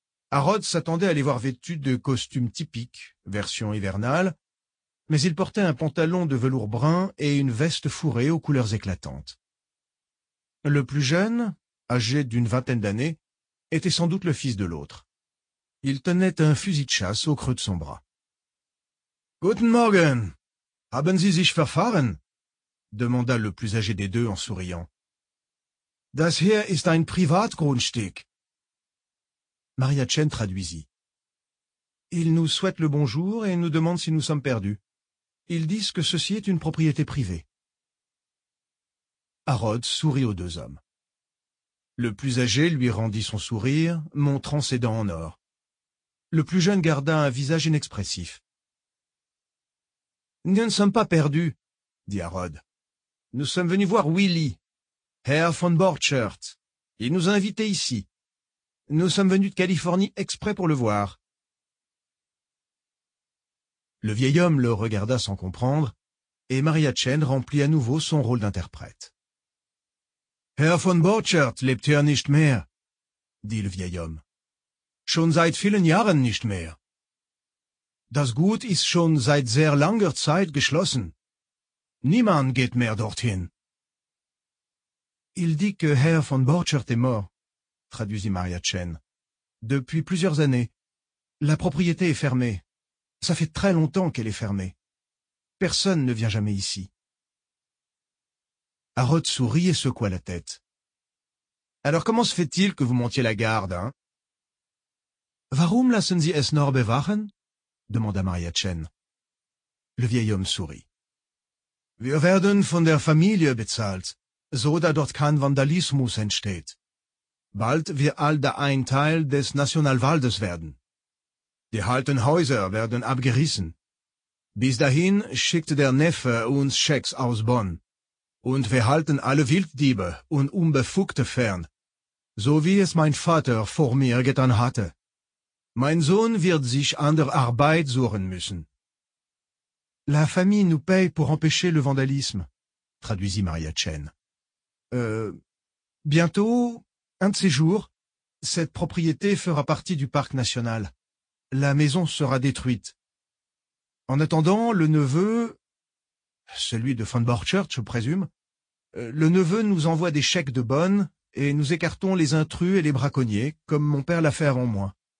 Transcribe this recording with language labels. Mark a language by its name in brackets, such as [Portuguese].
[French] Harold s'attendait à les voir vêtus de costumes typiques, version hivernale, mais ils portaient un pantalon de velours brun et une veste fourrée aux couleurs éclatantes. Le plus jeune, âgé d'une 20aine d'années, était sans doute le fils de l'autre. Il tenait un fusil de chasse au creux de son bras. [German] « Guten Morgen! Haben Sie sich verfahren? [French] » demanda le plus âgé des deux en souriant. [German] « Das hier ist ein Privatgrundstück. » [French] Maria Chen traduisit. « Ils nous souhaitent le bonjour et nous demandent si nous sommes perdus. Ils disent que ceci est une propriété privée. » Harold sourit aux deux hommes. Le plus âgé lui rendit son sourire, montrant ses dents en or. Le plus jeune garda un visage inexpressif. « Nous ne sommes pas perdus, » dit Harold. « Nous sommes venus voir Willy, Herr von Borchert. Il nous a invités ici. Nous sommes venus de Californie exprès pour le voir. » Le vieil homme le regarda sans comprendre, et Maria Chen remplit à nouveau son rôle d'interprète. [German] « Herr von Borchert lebt hier nicht mehr, » [French] dit le vieil homme. [German] « Schon seit vielen Jahren nicht mehr. Das Gut ist schon seit sehr langer Zeit geschlossen. Niemand geht mehr dorthin. [French] » « Il dit que Herr von Borchert est mort, » traduisit Maria Chen. « Depuis plusieurs années, la propriété est fermée. Ça fait très longtemps qu'elle est fermée. Personne ne vient jamais ici. » Harold sourit et secoua la tête. « Alors comment se fait-il que vous montiez la garde, hein ?»« [German] Warum lassen Sie es nur bewachen ?» [French] demanda Maria Chen. Le vieil homme sourit. [German] « Wir werden von der Familie bezahlt, so dass dort kein Vandalismus entsteht. bald wir alle ein Teil des Nationalwaldes werden. Die alten Häuser werden abgerissen. Bis dahin schickt der Neffe uns Schecks aus Bonn. Und wir halten alle Wilddiebe und Unbefugte fern, so wie es mein Vater vor mir getan hatte. Mein Sohn wird sich andere Arbeit suchen müssen. [French] La famille nous paye pour empêcher le vandalisme, traduisit Maria Chen. Bientôt, un de ces jours, cette propriété fera partie du parc national. La maison sera détruite. En attendant, le neveu, celui de Van Borchert, je présume, le neveu nous envoie des chèques de bonne et nous écartons les intrus et les braconniers, comme mon père l'a fait avant moi.